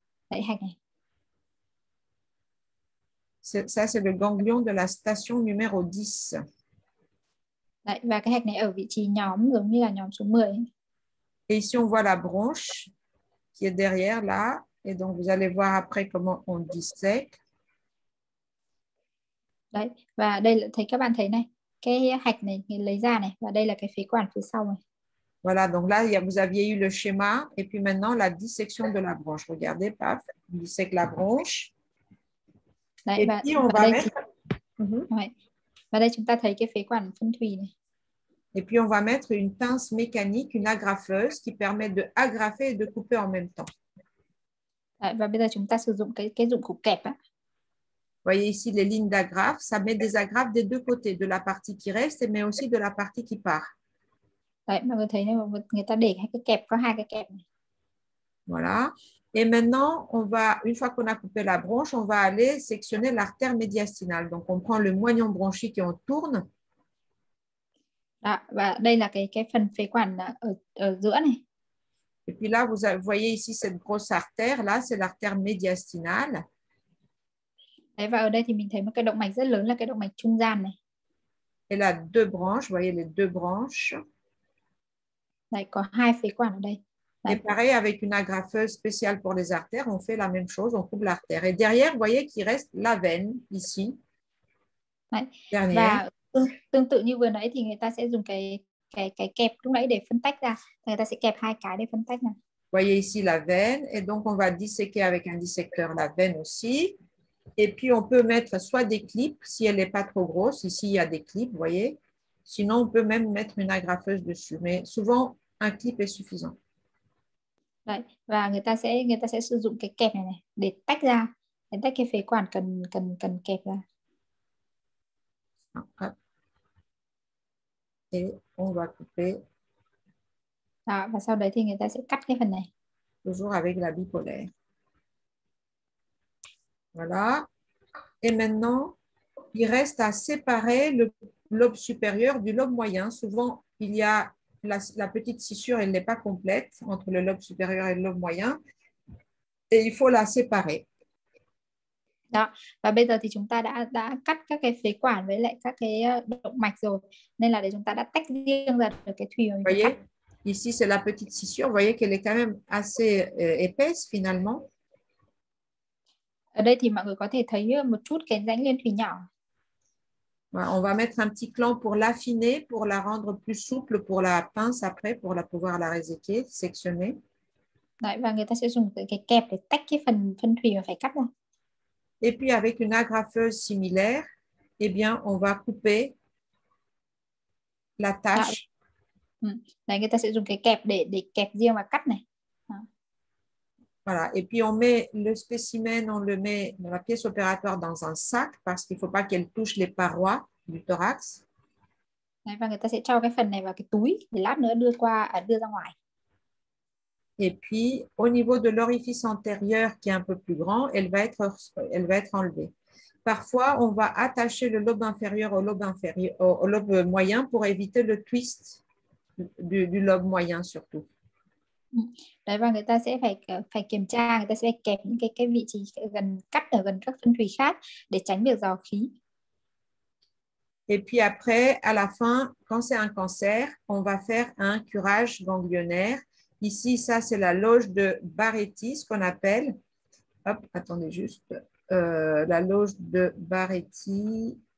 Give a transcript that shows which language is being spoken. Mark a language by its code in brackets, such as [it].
[vi] Đấy, hạch này. [fr] Ça, c'est le ganglion de la station numéro 10. [vi] Đấy, và cái hạch này ở vị trí nhóm giống như là nhóm số 10. [fr] Et ici on voit la branche qui est derrière là. Et donc vous allez voir après comment on dissèque. [vi] Đấy, và đây là, thấy các bạn thấy này. Cái hạch này lấy ra này. Và đây là cái phế quản phía sau này. [fr] Voilà, donc là vous aviez eu le schéma. Et puis maintenant la dissection de la branche. Regardez, paf, on dissèque la branche. [vi] Đấy, [fr] et [vi] và, [fr] puis on va mettre... [vi] Và đây chúng ta thấy cái phế quản phân thùy này. [fr] Et puis on va mettre une pince mécanique, une agrafeuse qui permet de agrafer et de couper en même temps. [vi] Đấy, và bây giờ chúng ta sử dụng cái dụng cụ kẹp á. [fr] Voyez ici les lignes d'agrafe, ça met des agrafes des deux côtés, de la partie qui reste mais aussi de la partie qui part. [vi] Đấy, mọi người thấy này, người ta để hai cái kẹp, có hai cái kẹp này. [fr] Voilà. Et maintenant, on va, une fois qu'on a coupé la branche, on va aller sectionner l'artère médiastinale. Donc, on prend le moignon bronchique et on tourne. [vi] Là, và đây là cái phần phế quản ở giữa này. [fr] Et puis là, vous voyez ici cette grosse artère. Là, c'est l'artère médiastinale. [vi] Đấy, và ở đây thì mình thấy một cái động mạch rất lớn là cái động mạch trung gian này. [fr] Et là, deux branches, vous voyez les deux branches. [vi] Đấy, có hai phế quản ở đây. [fr] Et pareil, avec une agrafeuse spéciale pour les artères, on fait la même chose, on coupe l'artère. Et derrière, vous voyez qu'il reste la veine, ici. [vi] Đấy. [fr] Dernière. [vi] Và tương tự như vừa nãy thì người ta sẽ dùng cái kẹp lúc nãy để phân tách ra. Người ta sẽ kẹp hai cái để phân tách ra. [fr] voyez ici la veine, et donc on va disséquer avec un dissecteur la veine aussi. Et puis on peut mettre soit des clips, si elle n'est pas trop grosse, ici il y a des clips, vous voyez. Sinon, on peut même mettre une agrafeuse dessus, mais souvent, un clip est suffisant. [vi] Đấy, và người ta sẽ sử dụng cái kẹp này này để tách ra, để tách cái phế quản cần cần cần kẹp ra. [fr] Et on va couper. [vi] Đó, và sau đấy thì người ta sẽ cắt cái phần này. [fr] Toujours avec la bipolaire. Voilà. Et maintenant, il reste à séparer le lobe supérieur du lobe moyen. Souvent, il y a la petite scissure, elle n'est pas complète entre le lobe supérieur et le lobe moyen. Et il faut la séparer. [vi] Đó. Và bây giờ thì chúng ta đã cắt các cái phế quản với lại các cái động mạch rồi. Nên là để chúng ta đã tách riêng ra được cái thùy. [fr] Vous voyez, ici c'est la petite scissure. Vous voyez qu'elle est quand même assez épaisse finalement. [vi] Ở đây thì mọi người có thể thấy một chút cái rãnh liên thùy nhỏ. [fr] Voilà, on va mettre un petit clamp pour l'affiner, pour la rendre plus souple pour la pince après, pour la pouvoir la réséquer, sectionner. [vi] Đấy, và người ta sẽ dùng cái kẹp để tách cái phần thùy mà phải cắt ra. [fr] Et puis avec une agrafeuse similaire, eh bien, on va couper la tache. [vi] Đấy, người ta sẽ dùng cái kẹp để kẹp riêng và cắt này. [fr] Voilà, et puis on met le spécimen, on le met dans la pièce opératoire dans un sac parce qu'il ne faut pas qu'elle touche les parois du thorax. [vi] Và người ta sẽ cho cái phần này vào cái túi để lát nữa đưa qua đưa ra ngoài. [fr] Et puis au niveau de l'orifice antérieur qui est un peu plus grand, elle va être enlevée. Parfois, on va attacher le lobe inférieur au lobe moyen pour éviter le twist du lobe moyen surtout. [vi] Đấy, và người ta sẽ phải kiểm tra, người ta sẽ kẹp những cái vị trí gần cắt ở gần các phân thủy khác để tránh việc dò khí. [fr] Et puis après, à la fin, quand c'est un cancer, on va faire un curage ganglionnaire. Ici, ça c'est la loge de Barretti, ce qu'on appelle. Hop, attendez juste. La loge de Barretti.